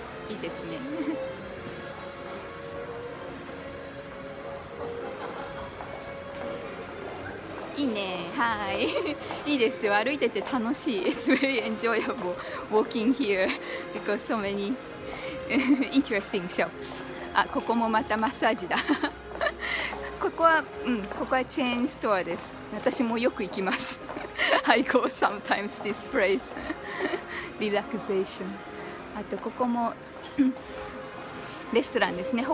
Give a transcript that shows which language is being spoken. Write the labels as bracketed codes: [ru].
[ja] いいですね。いいね、はい。いいですよ、歩いてて楽しい。 [en] It's very enjoyable walking here because so many interesting shops. [ja] あ、ここもまたマッサージだ。ここは、うん、ここはチェーンストアです。私もよく行きます。 [en] I go sometimes this place. [ja] Relaxation. あと、ここも、レストランですね。